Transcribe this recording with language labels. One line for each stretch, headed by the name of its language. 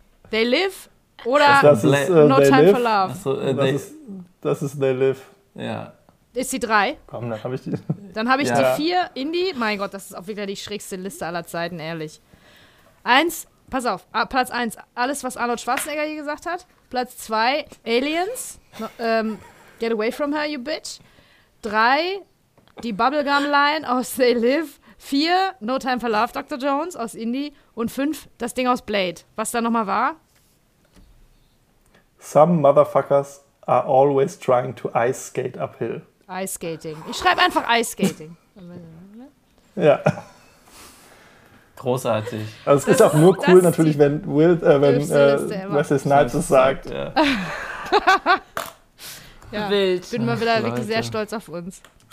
German: They Live oder No Time for Love. Das ist They Live. Ja. Ist die 3? Komm, dann habe ich die. Dann habe ich die 4, Indie. Mein Gott, das ist auch wieder die schrägste Liste aller Zeiten, ehrlich. 1. Pass auf, Platz 1, alles, was Arnold Schwarzenegger hier gesagt hat. Platz 2, Aliens.
English: Get away from her, you bitch.
German: 3, die Bubblegum-Line aus They Live. 4, No Time for Love, Dr. Jones aus Indie. Und 5, das Ding aus Blade. Was da nochmal war?
English: Some motherfuckers are always trying to ice skate uphill.
German: Ice skating. Ich schreibe einfach ice skating. Ja. Großartig. Also es ist auch nur cool natürlich, wenn Wesley Snipes es sagt. Ja. Ja. Wild. Bin mal wieder wirklich sehr stolz auf uns.